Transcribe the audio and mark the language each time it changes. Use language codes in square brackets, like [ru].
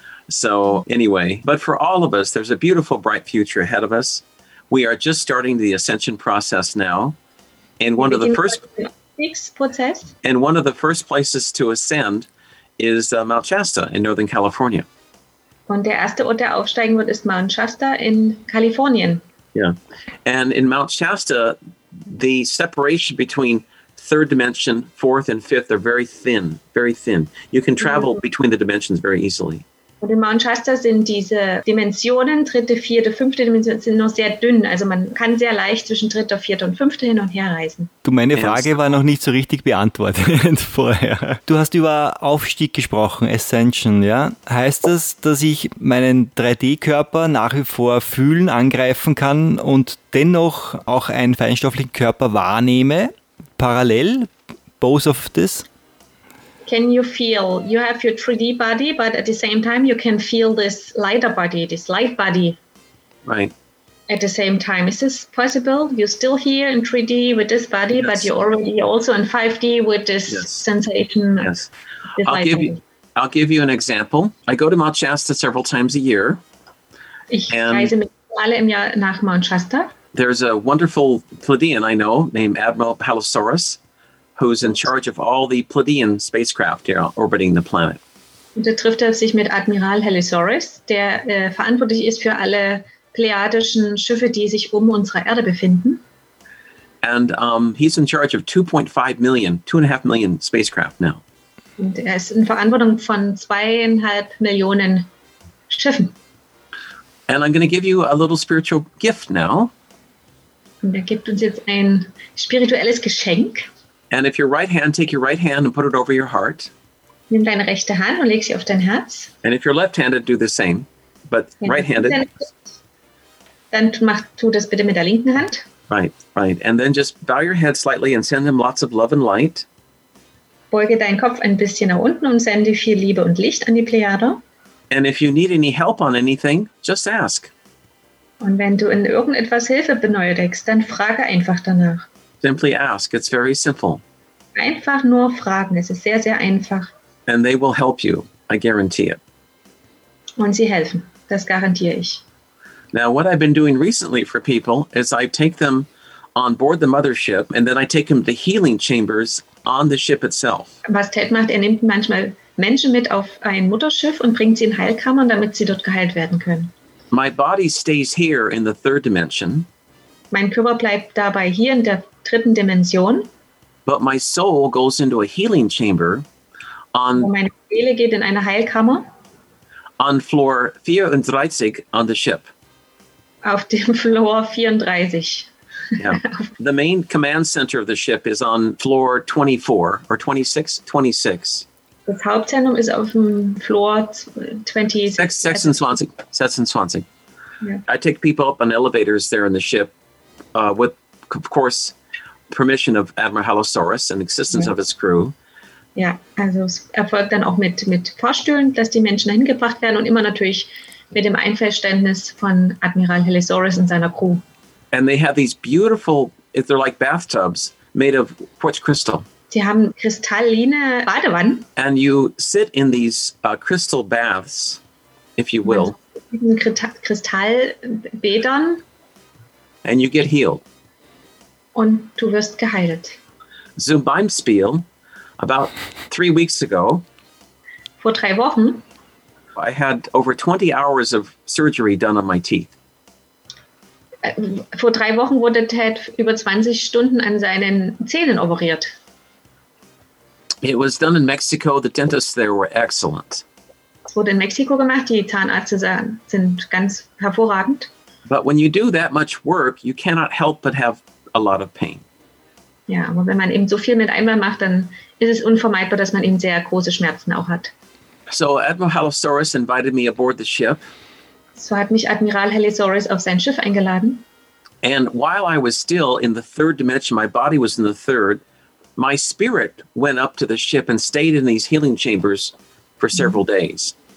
[en] So anyway, but for all of us, there's a beautiful, bright future ahead of us. We are just starting the ascension process now, and one of the first places to ascend is Mount Shasta in Northern California. [de] Und der erste Ort, der aufsteigen wird, ist Mount Shasta in Kalifornien. [en] Yeah, and in Mount Shasta, the separation between third dimension, fourth and fifth are very thin, very thin. You can travel between the dimensions very easily. [de] Und in Mount Shasta sind diese Dimensionen, dritte, vierte, fünfte Dimension, sind noch sehr dünn. Also man kann sehr leicht zwischen dritter, vierter und fünfter hin und her reisen. Du, meine Frage war noch nicht so richtig beantwortet vorher. Du hast über Aufstieg gesprochen, Ascension, ja? Heißt das, dass ich meinen 3D-Körper nach wie vor fühlen, angreifen kann und dennoch auch einen feinstofflichen Körper wahrnehme, parallel, [en] both of this? Can you feel, you have your 3D body, but at the same time you can feel this lighter body, this light body. Right. At the same time. Is this possible? You're still here in 3D with this body, yes. But you're already also in 5D with this sensation. Yes. This I'll give you an example. I go to Mount Shasta several times a year. [de] Ich reise alle im Jahr nach Mount Shasta. [en] There's a wonderful Pleiadian I know named Admiral Palosaurus, who's in charge of all the Pleiadian spacecraft here orbiting the planet. [de] Und da trifft sich mit Admiral Halosaurus, der verantwortlich ist für alle pleiadischen Schiffe, die sich unsere Erde befinden. [en] And he's in charge of 2.5 million spacecraft now. [de] Und ist in Verantwortung von 2.5 Millionen Schiffen. [en] And I'm going to give you a little spiritual gift now. [de] Und gibt uns jetzt ein spirituelles Geschenk. [en] And if your right hand, take your right hand and put it over your heart. [de] Nimm deine rechte Hand und leg sie auf dein Herz. [en] And if you're left-handed, do the same, but right-handed. [de] Dann tu das bitte mit der linken Hand. [en] Right, right. And then just bow your head slightly and send them lots of love and light. [de] Beuge deinen Kopf ein bisschen nach unten und sende viel Liebe und Licht an die Plejade. [en] And if you need any help on anything, just ask. [de] Und wenn du in irgendetwas Hilfe benötigst, dann frage einfach danach. [en] Simply ask. It's very simple. [de] Einfach nur fragen. Es ist sehr, sehr einfach. [en] And they will help you. I guarantee it. [de] Und sie helfen. Das garantiere ich. [en] Now, what I've been doing recently for people is I take them on board the mothership and then I take them to healing chambers on the ship itself. [de] Was Ted macht, nimmt manchmal Menschen mit auf ein Mutterschiff und bringt sie in Heilkammern, damit sie dort geheilt werden können. [en] My body stays here in the third dimension. [de] Mein Körper bleibt dabei hier in der dritten Dimension. [en] But my soul goes into a healing chamber on, [de] meine Seele geht in eine Heilkammer. [en] On floor 34 on the ship. [de] Auf dem Floor 34. [en] Yeah. The main command center of the ship is on floor 24 or 26, 26. [de] Das Hauptzentrum ist auf dem Floor 26. [en] 26. Yeah. I take people up on elevators there in the ship with, of course, permission of Admiral Halosaurus and assistance of his crew. [de] Ja, also es erfolgt dann auch mit Fahrstühlen, dass die Menschen dahin gebracht werden und immer natürlich mit dem Einverständnis von Admiral Halosaurus und seiner Crew. [en] And they have these beautiful, if they're like bathtubs, made of quartz crystal. [de] Sie haben kristalline Badewannen. [en] And you sit in these crystal baths, if you will. [de] In Kristallbädern. [en] And you get healed. [de] Und du wirst geheilt. Zum Beispiel, [en] about 3 weeks ago. [de] Vor 3 Wochen. [en] I had over 20 hours of surgery done on my teeth. [de] Vor 3 Wochen wurde Ted über 20 Stunden an seinen Zähnen operiert. [en] It was done in Mexico. The dentists there were excellent. [de] Es wurde in Mexiko gemacht. Die Zahnärzte sind ganz hervorragend. [en] But when you do that much work, you cannot help but have a lot of pain. [de] Ja, aber wenn man eben so viel mit einmal macht, dann ist es unvermeidbar, dass man eben sehr große Schmerzen auch hat. [en] So Admiral Halosaurus invited me aboard the ship. [de] So hat mich Admiral Halosaurus auf sein Schiff eingeladen. [en] And while I was still in the third dimension, my body was in the third, my spirit went up to the ship and stayed in these healing chambers for several days.